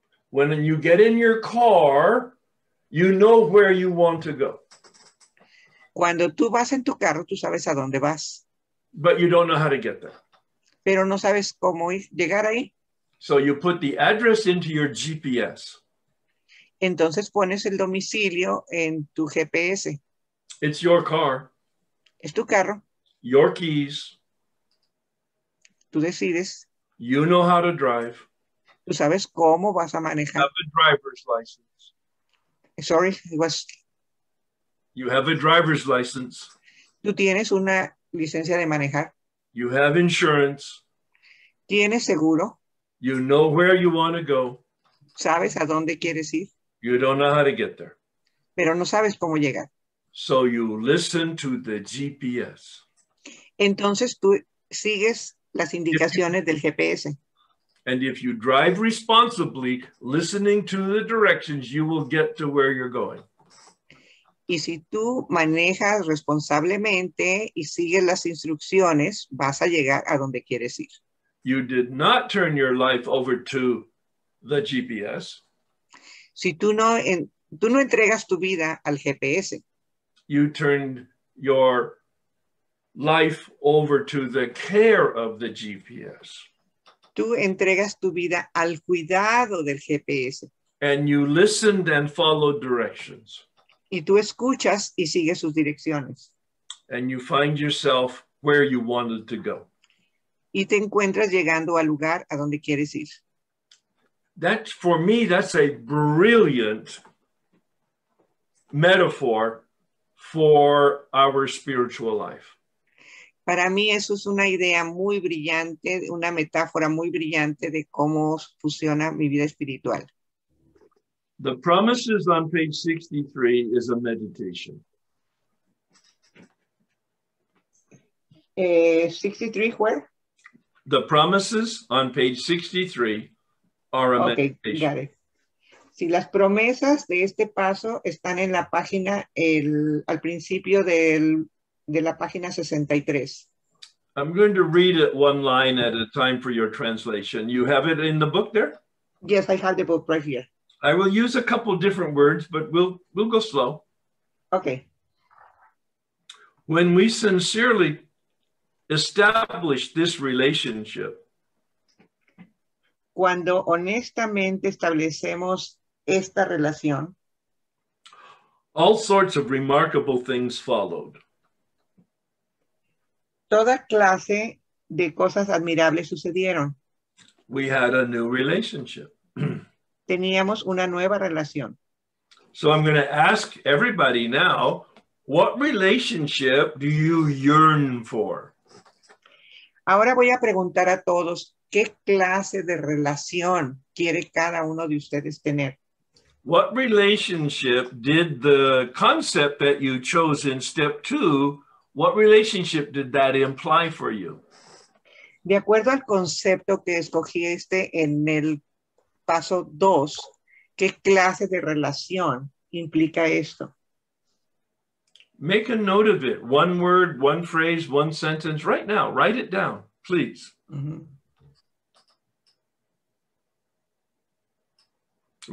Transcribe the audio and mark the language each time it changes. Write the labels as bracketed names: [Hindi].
[English] When you get in your car, you know where you want to go. [Spanish] Cuando tú vas en tu carro, tú sabes a dónde vas. [English] But you don't know how to get there. [Spanish] Pero no sabes cómo llegar ahí. [English] So you put the address into your GPS. [Spanish] Entonces pones el domicilio en tu GPS. [English] It's your car. [Spanish] Es tu carro. [English] Your keys. [Spanish] Tú decides. [English] You know how to drive. [Spanish] Tú sabes cómo vas a manejar. [English] You have a driver's license. Sorry, it was... You have a driver's license. [Spanish] Tú tienes una licencia de manejar. [English] You have insurance. [Spanish] Tienes seguro. [English] You know where you want to go. [Spanish] Sabes a dónde quieres ir. [English] You don't know how to get there. [Spanish] Pero no sabes cómo llegar. [English] So you listen to the GPS. [Spanish] Entonces tú sigues las indicaciones del GPS. [English] And if you drive responsibly, listening to the directions, you will get to where you're going. [Spanish] Y si tú manejas responsablemente y sigues las instrucciones, vas a llegar a donde quieres ir. [English] You did not turn your life over to the GPS. [Spanish] Si tú no, tú no entregas tu vida al GPS. [English] You turned your life over to the care of the GPS. [Spanish] Tú entregas tu vida al cuidado del GPS. [English] And you listened and followed directions. [Spanish] Y tú escuchas y sigues sus direcciones. [English] And you find yourself where you wanted to go. [Spanish] Y te encuentras llegando al lugar a donde quieres ir. [English] That's, for me, that's a brilliant metaphor for our spiritual life. [Spanish] Para mí eso es una idea muy brillante, una metáfora muy brillante de cómo funciona mi vida espiritual. [English] The promises on page 63 is a meditation. 63, where? The promises on page 63 are a meditation. Okay, got it. [Spanish] Si las promesas de este paso están en la página, al principio de la página 63. [English] I'm going to read it one line at a time for your translation. You have it in the book there? Yes, I have the book right here. I will use a couple different words, but we'll go slow. Okay. When we sincerely establish this relationship. [Spanish] Cuando honestamente establecemos esta relación. [English] All sorts of remarkable things followed. [Spanish] Toda clase de cosas admirables sucedieron. [English] We had a new relationship. [Spanish] Teníamos una nueva relación. [English] So I'm going to ask everybody now, what relationship do you yearn for? [Spanish] Ahora voy a preguntar a todos, ¿qué clase de relación quiere cada uno de ustedes tener? [English] What relationship did the concept that you chose in step two, what relationship did that imply for you? [Spanish] De acuerdo al concepto que escogiste en el paso dos, ¿qué clase de relación implica esto? [English] Make a note of it. One word, one phrase, one sentence. Right now, write it down, please. Mm-hmm.